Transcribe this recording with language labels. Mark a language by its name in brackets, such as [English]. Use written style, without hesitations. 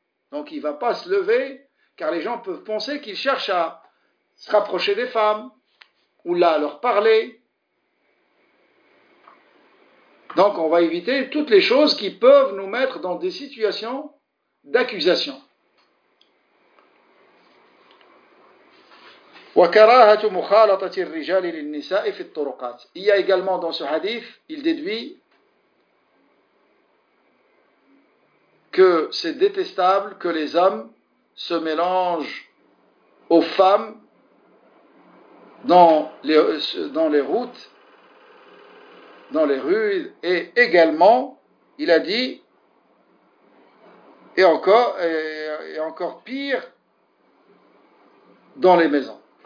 [French] Donc il ne va pas se lever car les gens peuvent penser qu'il cherche à se rapprocher des femmes ou là à leur parler. Donc on va éviter toutes les choses qui peuvent nous mettre dans des situations d'accusation. [Arabic] وكراهة مخالطة الرجال للنساء في الطرقات. [French] Il y a également dans ce hadith, il déduit que c'est détestable que les hommes se mélangent aux femmes dans les routes, dans les rues, et également, il a dit, et encore pire, dans les maisons.